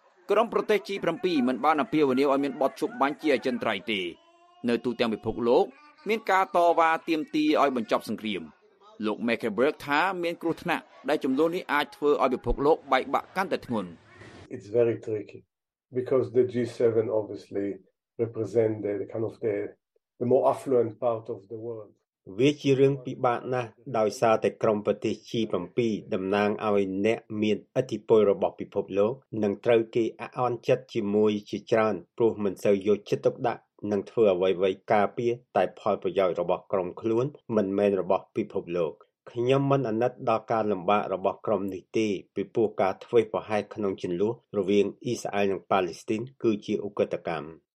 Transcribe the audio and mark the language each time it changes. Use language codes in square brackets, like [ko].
[km] ក្រុមប្រទេស G7 មិនបានអំពាវនាវឲ្យមានបទឈប់បាញ់ជាអចិន្ត្រៃយ៍ទេនៅទូទាំងពិភពលោកមានការតវ៉ាទាមទារឲ្យបញ្ចប់សង្គ្រាមលោក Mekeberg ថាមានគ្រោះថ្នាក់ដែលចំនួននេះអាចធ្វើឲ្យពិភពលោកបែកបាក់កាន់តែធ្ងន់ [en] It's very tricky because the G7 obviously represent the kind of the more affluent part of the world [km] វាជារឿងពិបាកណាស់ដោយសារតែក្រុមប្រទេស G7 តំណាងឲ្យអ្នកមានឥទ្ធិពលរបស់ពិភពលោកនិងត្រូវគេអអន់ចិត្តជាមួយជាច្រើនព្រោះមិនសូវយកចិត្តទុកដាក់និងធ្វើអ្វីៗការពារតែផលប្រយោជន៍របស់ក្រុមខ្លួនមិនមែនរបស់ពិភពលោកខ្ញុំមិនអាណិតដល់ការលំបាករបស់ក្រុមនេះទេពីព្រោះការធ្វេសប្រហែសក្នុងជម្លោះរវាងអ៊ីស្រាអែលនិងប៉ាឡេស្ទីនគឺជាឧក្រិដ្ឋកម្ម